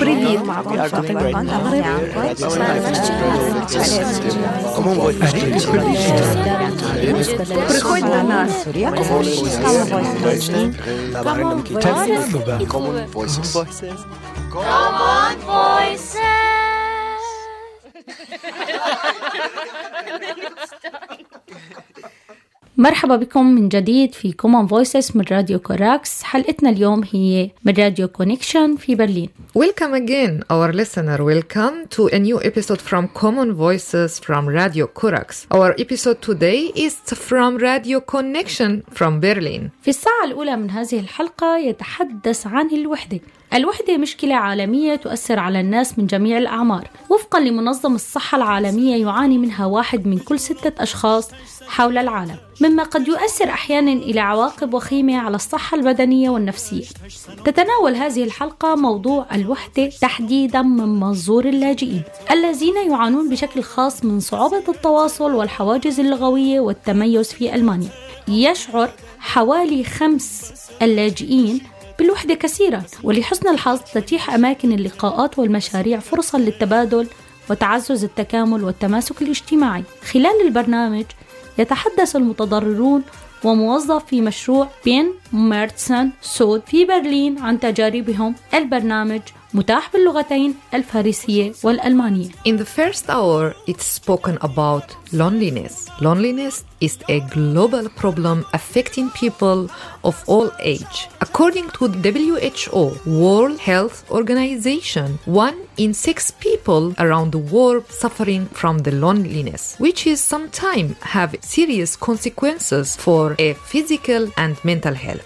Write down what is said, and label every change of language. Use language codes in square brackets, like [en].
[ar] بريفيد معكم مرحبا بكم من جديد في Common Voices من راديو كوراكس. حلقتنا اليوم هي من راديو كونيكشن في برلين. [en] Welcome again our listener. Welcome to a new episode from Common Voices from Radio Kuraks. Our episode today is from Radio Connection from Berlin. [ar] في الساعة الأولى من هذه الحلقة يتحدث عن الوحدة. الوحدة مشكلة عالمية تؤثر على الناس من جميع الأعمار. وفقاً لمنظمة الصحة العالمية يعاني منها واحد من كل 6 أشخاص حول العالم، مما قد يؤثر أحياناً إلى عواقب وخيمة على الصحة البدنية والنفسية. تتناول هذه الحلقة موضوع الوحدة تحديداً من منظور اللاجئين الذين يعانون بشكل خاص من صعوبة التواصل والحواجز اللغوية والتميز في ألمانيا. يشعر حوالي 5 اللاجئين بالوحدة كثيرة، ولحسن الحظ تتيح أماكن اللقاءات والمشاريع فرصة للتبادل وتعزز التكامل والتماسك الاجتماعي. خلال البرنامج يتحدث المتضررون وموظف في مشروع بين ميرتسن سود في برلين عن تجاربهم. البرنامج متاح باللغتين الفارسية والألمانية. [en] In the first hour, it's spoken about loneliness. Loneliness is a global problem affecting people of all age. According to the WHO, World Health Organization, 1 in 6 people around the world suffering from the loneliness, which is sometimes have serious consequences for a physical and mental health.